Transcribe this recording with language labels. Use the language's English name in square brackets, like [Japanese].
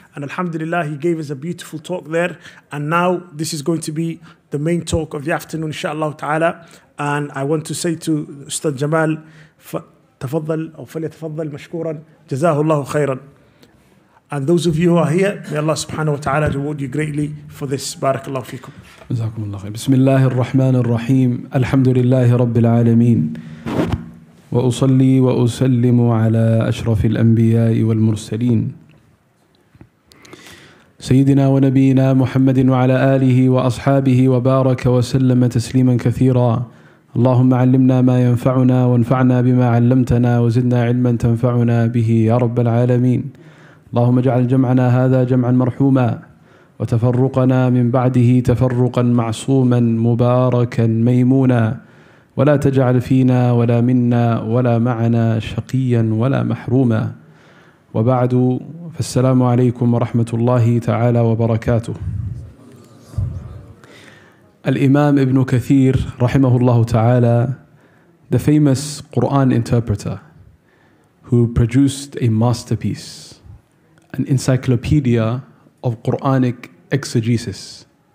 [English] And alhamdulillah, he gave us a beautiful talk there. And now this is going to be the main talk of the afternoon, inshallah ta'ala. And I want to say to Ustaz Jamal, [Arabic] تفضل أو فليتفضل مشكورا جزاه الله خيرا. [English] And those of you who are here, may Allah subhanahu wa ta'ala reward you greatly for this. [Arabic] Barakallahu feekum. جزاكم الله خير. بسم الله الرحمن الرحيم الحمد لله رب العالمين وأصلي وأسلم على أشرف الأنبياء والمرسلين سيدنا ونبينا محمد وعلى آله وأصحابه وبارك وسلم تسليما كثيرا. اللهم علمنا ما ينفعنا وانفعنا بما علمتنا وزدنا علما تنفعنا به يا رب العالمين. اللهم اجعل جمعنا هذا جمعا مرحوما وتفرقنا من بعده تفرقا معصوما مباركا ميمونا ولا تجعل فينا ولا منا ولا معنا شقيا ولا محروما. وبعد فالسلام عليكم ورحمة الله تعالى وبركاته. الإمام ابن كثير رحمه الله تعالى, [English] the famous Quran interpreter who produced a masterpiece, an encyclopedia of Quranic exegesis.